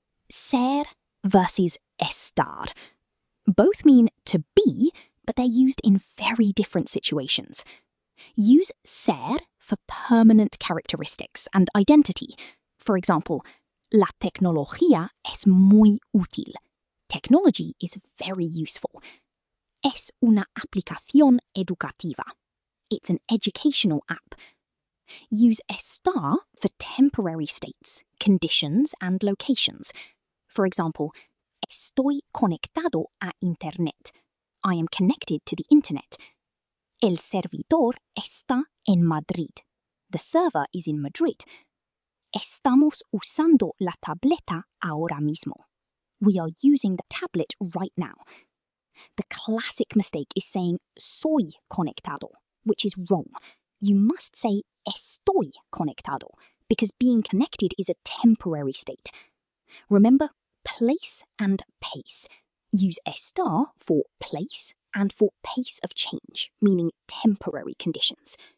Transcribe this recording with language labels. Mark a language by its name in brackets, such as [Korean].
[English] Ser versus estar. Both mean to be, but they're used in very different situations. Use ser for permanent characteristics and identity. For example, [Spanish] la tecnología es muy útil. [English] Technology is very useful. [Spanish] Es una aplicación educativa. [English] It's an educational app. Use estar for temporary states, conditions, and locations. For example, [Spanish] estoy conectado a internet. [English] I am connected to the internet. [Spanish] El servidor está en Madrid. [English] The server is in Madrid. [Spanish] Estamos usando la tableta ahora mismo. [English] We are using the tablet right now. The classic mistake is saying [Spanish] soy conectado, [English] which is wrong. You must say [Spanish] estoy conectado, [English] because being connected is a temporary state. Remember, place and pace. Use estar for place and for pace of change, meaning temporary conditions.